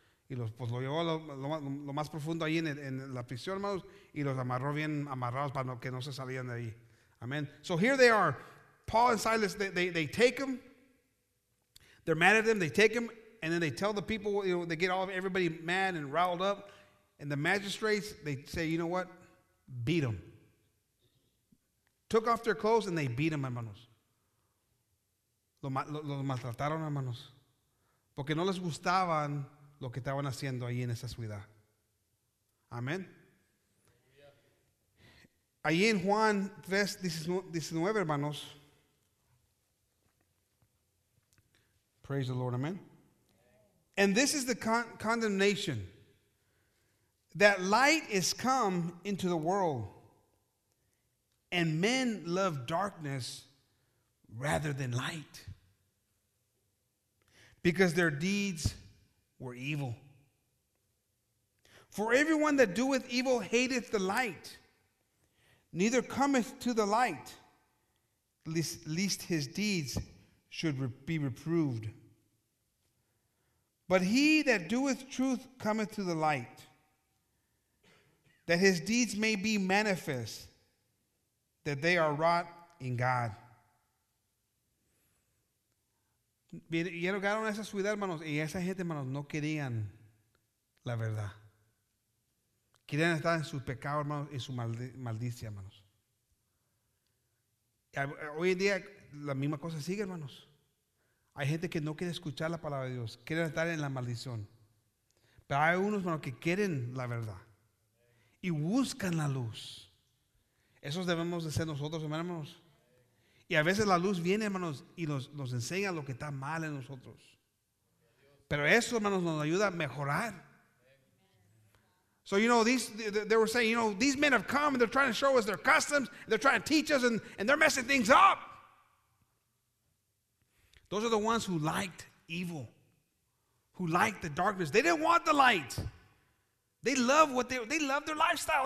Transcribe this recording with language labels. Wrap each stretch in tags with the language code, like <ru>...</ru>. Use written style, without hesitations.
<es>Y los pues lo llevó lo más profundo ahí en la prisión, hermanos, y los amarró bien amarrados para que no se salían de ahí. Amen.</es> <en>So here they are, Paul and Silas, they take them, they're mad at them, they take them, and then they tell the people, you know, they get all of everybody mad and riled up, and the magistrates, they say, you know what? Beat them. Took off their clothes and they beat them, hermanos.</en> <es>Los maltrataron, hermanos. Porque no les gustaban lo que estaban haciendo ahí en esa ciudad. Amén. Allí en Juan 3:19, hermanos.</es> <en>Praise the Lord, amen. And this is the condemnation, that light is come into the world, and men love darkness rather than light, because their deeds were evil. For everyone that doeth evil hateth the light, neither cometh to the light, lest his deeds should be reproved. But he that doeth truth cometh to the light, that his deeds may be manifest, that they are wrought in God.</en> <es>Llegaron a esa ciudad, hermanos, y esa gente, hermanos, no querían la verdad. Querían estar en su pecado, hermanos, y su maldicia, hermanos. Hoy en día, la misma cosa sigue, hermanos. Hay gente que no quiere escuchar la palabra de Dios, quiere estar en la maldición. Pero hay unos, hermanos, que quieren la verdad y buscan la luz. Esos debemos de ser nosotros, hermanos. Y a veces la luz viene, hermanos, y nos enseña lo que está mal en nosotros. Pero eso, hermanos, nos ayuda a mejorar.</es> <en>So, you know, they were saying, you know, these men have come and they're trying to show us their customs. They're trying to teach us and they're messing things up. Those are the ones who liked evil, who liked the darkness. They didn't want the light. They love what they love their lifestyle.</en>